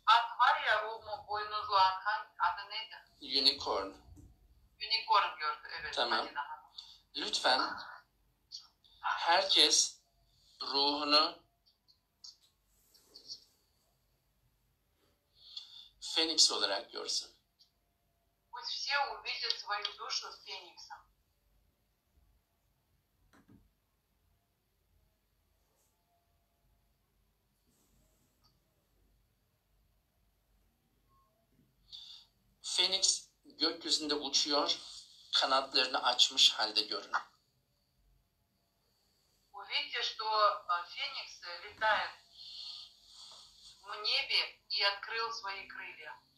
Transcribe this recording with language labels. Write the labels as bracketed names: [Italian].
[Turkish] At var ya o mu boynuzlu anka adı neydi? [English] Unicorn. [Turkish] Unicorn gördü evet tamam. Madina Hanım. Lütfen herkes ruhunu Feniks olarak görsün. [Russian] Пусть все увидят свою душу с Фениксом. [Turkish] Feniks gökyüzünde uçuyor. Kanatlarını açmış halde görün. [Russian] Увидите, что Феникс летает в небе и открыл свои крылья.